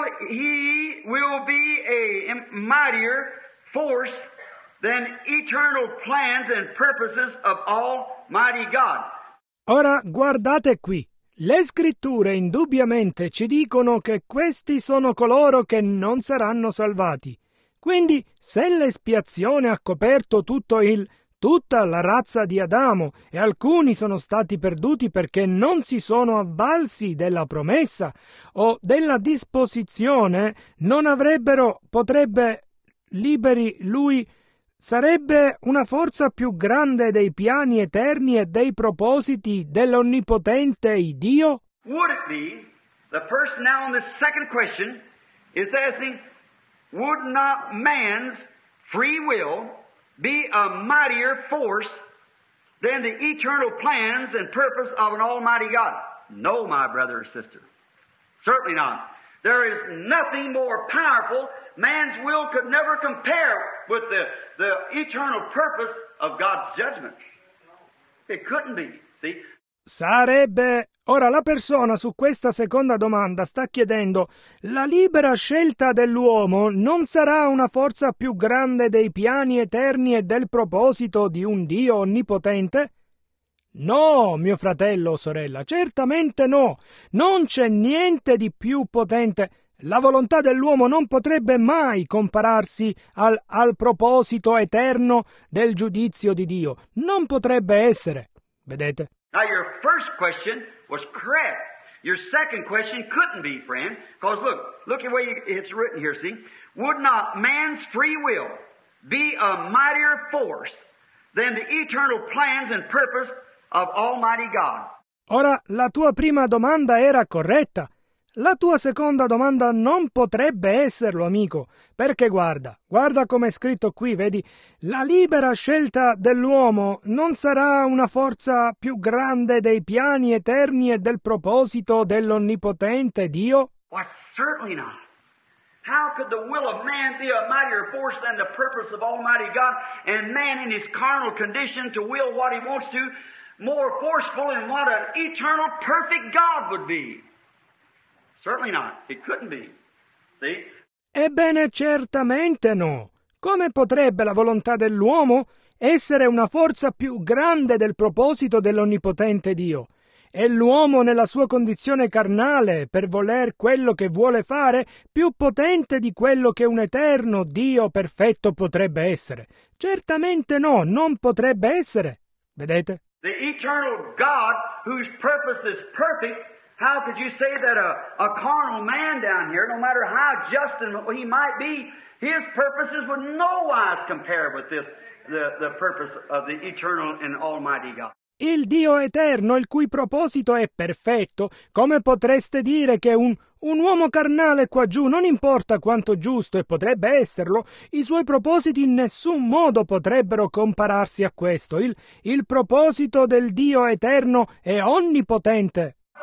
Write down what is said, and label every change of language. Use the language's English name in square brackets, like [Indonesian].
[English] he be a mightier force than eternal plans and purposes of Almighty God. [Italian] Ora guardate qui. Le scritture indubbiamente ci dicono che questi sono coloro che non saranno salvati. Quindi, se l'espiazione ha coperto tutta la razza di Adamo e alcuni sono stati perduti perché non si sono avvalsi della promessa o della disposizione, non avrebbero, potrebbe liberi lui. Sarebbe una forza più grande dei piani eterni e dei propositi dell'Onnipotente Dio? [English] Would it be The person now on this second question is asking, would not man's free will be a mightier force than the eternal plans and purpose of an almighty God? No, my brother or sister. Certainly not. There is nothing more powerful. Man's will could never compare with the eternal purpose of God's judgment. It couldn't be. See? [Italian] Sarebbe... Ora, la persona su questa seconda domanda sta chiedendo: la libera scelta dell'uomo non sarà una forza più grande dei piani eterni e del proposito di un Dio onnipotente? No, mio fratello o sorella, certamente no. Non c'è niente di più potente. La volontà dell'uomo non potrebbe mai compararsi al proposito eterno del giudizio di Dio. Non potrebbe essere. Vedete? [English] Now your first question was correct. Your second question couldn't be, friend. Because look at the way it's written here, see? Would not man's free will be a mightier force than the eternal plans and purpose of Almighty God? [Italian] Ora, la tua prima domanda era corretta. La tua seconda domanda non potrebbe esserlo, amico. Perché guarda come è scritto qui, vedi? La libera scelta dell'uomo non sarà una forza più grande dei piani eterni e del proposito dell'onnipotente Dio? [English] Why, certainly not. How could the will of man be a mightier force than the purpose of Almighty God, and man in his carnal condition to will what he wants to, more forceful than what an eternal perfect God would be? Certainly not. It couldn't be. See? [Italian] Ebbene, certamente no. Come potrebbe la volontà dell'uomo essere una forza più grande del proposito dell'onnipotente Dio? È l'uomo nella sua condizione carnale, per voler quello che vuole fare, più potente di quello che un eterno Dio perfetto potrebbe essere? Certamente no, non potrebbe essere. Vedete? [English] The eternal God, whose purpose is perfect, how could you say that a carnal man down here, no matter how just and he might be, his purposes would no wise compare with this, the purpose of the eternal and almighty God. [Italian] Il Dio eterno, il cui proposito è perfetto, come potreste dire che un uomo carnale quaggiù, non importa quanto giusto e potrebbe esserlo, i suoi propositi in nessun modo potrebbero compararsi a questo. Il proposito del Dio eterno è onnipotente.